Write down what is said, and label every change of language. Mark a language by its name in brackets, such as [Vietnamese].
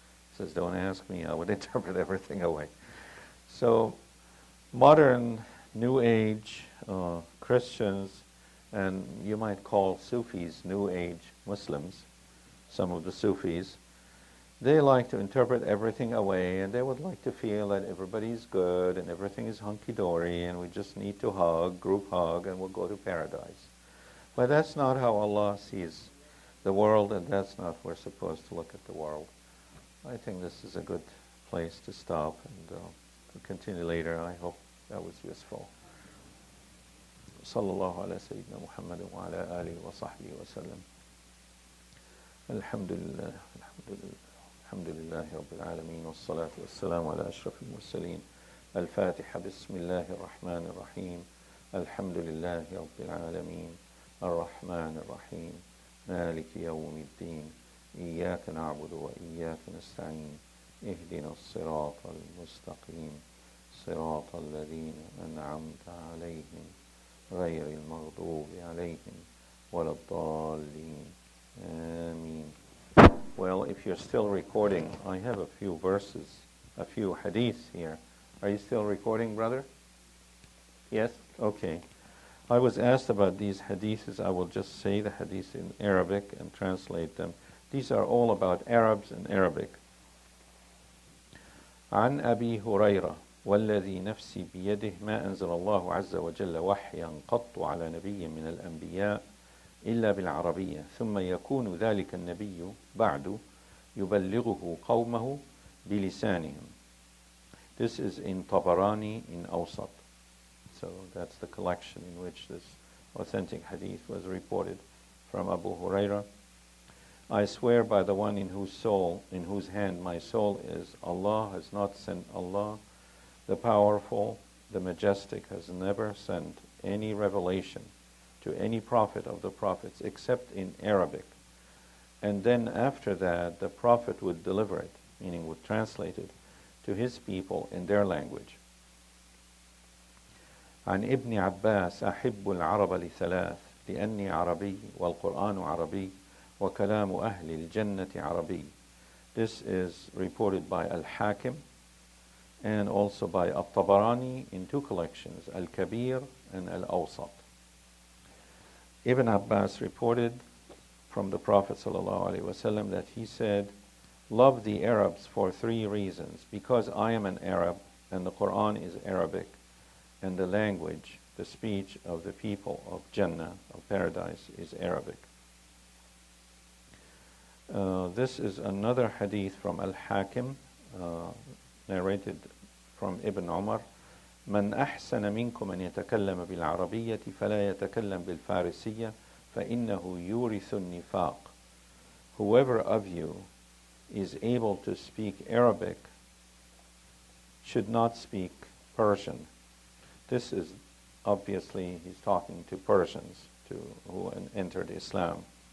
[English] He says, don't ask me, I would interpret everything away. So modern New Age Christians, and you might call Sufis New Age Muslims, some of the Sufis, they like to interpret everything away, and they would like to feel that everybody's good and everything is hunky-dory and we just need to hug, group hug, and we'll go to paradise. But that's not how Allah sees the world, and that's not how we're supposed to look at the world. I think this is a good place to stop, and we'll continue later. I hope that was useful. [Arabic] صلى الله على سيدنا محمد وعلى آله وصحبه وسلم الحمد لله الحمد لله الحمد لله رب العالمين والصلاة والسلام على أشرف المرسلين الفاتحة بسم الله الرحمن الرحيم الحمد لله رب العالمين الرحمن الرحيم مالك يوم الدين إياك نعبد وإياك نستعين اهدنا الصراط المستقيم صراط الذين أنعمت عليهم غير المغضوب عليهم ولا الضالين آمين. [English] Well, if you're still recording, I have a few verses, a few hadiths here. Are you still recording, brother? Yes. Okay. I was asked about these hadiths. I will just say the hadiths in Arabic and translate them. These are all about Arabs and Arabic. [Arabic] عن أبي هريرة والذي نفسي بيده ما أنزل الله عز وجل وحيا قط على نبي من الأنبياء إلا بالعربية ثم يكون ذلك النبي بعد يبلغه قومه بلسانهم. [English] This is in Tabarani in Awsat. So that's the collection in which this authentic hadith was reported from Abu Huraira. I swear by the one in whose soul, in whose hand my soul is, Allah has not sent Allah the Powerful, the Majestic has never sent any revelation to any prophet of the prophets except in Arabic. And then after that, the prophet would deliver it, meaning would translate it, to his people in their language. [Arabic] عن ابن عباس أحب العرب لثلاث لأني عربي والقرآن عربي وكلام أهل الجنة عربي. [English] This is reported by Al-Hakim and also by At-Tabarani in two collections, Al-Kabir and Al-Awsat. Ibn Abbas reported from the Prophet ﷺ that he said, love the Arabs for three reasons, because I am an Arab and the Quran is Arabic and the language, the speech of the people of Jannah, of Paradise, is Arabic. This is another hadith from Al-Hakim, narrated from Ibn Umar, [Arabic] من أحسن منكم أن يتكلم بالعربية فلا يتكلم بالفارسية فإنه يورث النفاق. [English] Whoever of you is able to speak Arabic should not speak Persian. This is obviously, he's talking to Persians, to who entered Islam.